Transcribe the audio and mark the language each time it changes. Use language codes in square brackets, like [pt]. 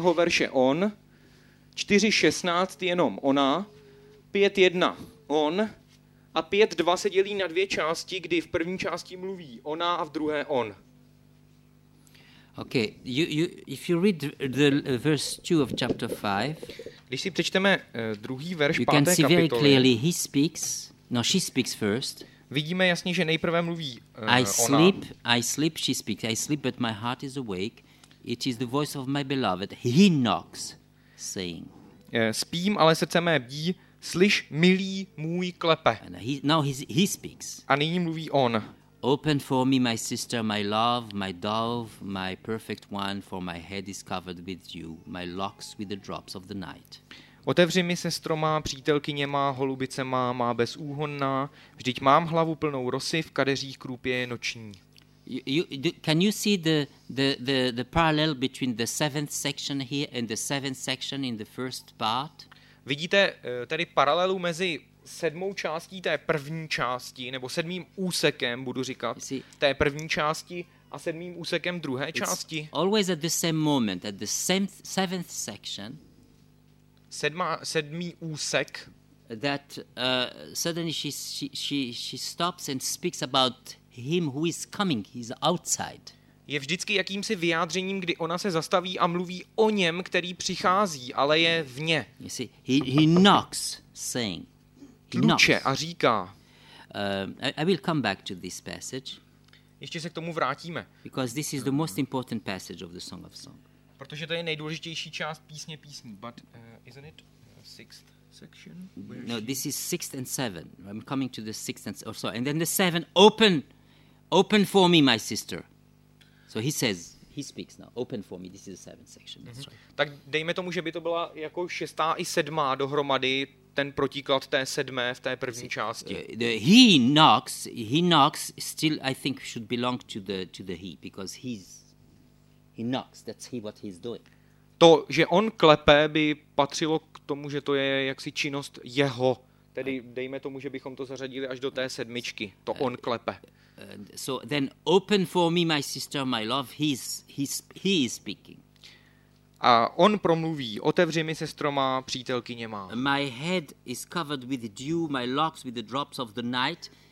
[cs] verše on, 4.16 jenom ona, 5.1 on a 5.2 se dělí na dvě části, kdy v první části mluví ona a v druhé on. [en] Okay, if you read the verse 2 of chapter 5, [cs] když si přečteme druhý verš 5. kapitoly, [en] you can see very clearly he speaks, no she speaks first. [cs] Vidíme jasně, že nejprve mluví [en] I sleep, she speaks. I sleep, but my heart is awake. It is the voice of my beloved. He knocks, saying. [cs] Spím, ale srdce mé bdí. Slyš, milý můj, klepe. [en] And he speaks. [cs] A nyní mluví on. [en] Open for me, my sister, my love, my dove, my perfect one, for my head is covered with you, my locks with the drops of the night. [cs] Otevři mi, sestro má, přítelkyně má, holubice má bezúhonná, vždyť mám hlavu plnou rosy, v kadeřích krůpě je noční. [en] Can you see the parallel between the seventh section here and the seventh section in the first part? [cs] Vidíte tady paralelu mezi sedmou částí té první části, nebo sedmým úsekem, budu říkat, té první části a sedmým úsekem druhé části? [en] It's always at the same moment, at the same seventh section. [cs] Sedmý úsek. [en] That suddenly she stops and speaks about him who is coming, he's outside. [cs] Je vždycky jakýmsi vyjádřením, kdy ona se zastaví a mluví o něm, který přichází, ale je vně. [en] You see, he knocks, saying. [cs] He tluče knocks. A říká. [en] I will come back to this passage. [cs] Ještě se k tomu vrátíme. [en] Because this is the most important passage of the Song of Song. [cs] Protože to je nejdůležitější část písně písní. [en] But isn't it sixth section? Where no, she... this is sixth and seven. I'm coming to the sixth and so. And then the seven, open for me, my sister. So he says, he speaks now, open for me, this is the seventh section. That's mm-hmm. right. [cs] Tak dejme tomu, že by to byla jako šestá i sedmá dohromady, ten protiklad té sedmé v té první see, části. [en] He knocks, still I think should belong to the he, because he's... He knocks, that's he what he's doing. [cs] To, že on klepe, by patřilo k tomu, že to je jaksi činnost jeho. Tedy dejme tomu, že bychom to zařadili až do té sedmičky. To on klepe. [en] So then open for me, my sister, my love, he's speaking. [cs] A on promluví: otevři mi se stroma, přítelkyně má. [en] My head is covered with dew, my locks with the drops of the night.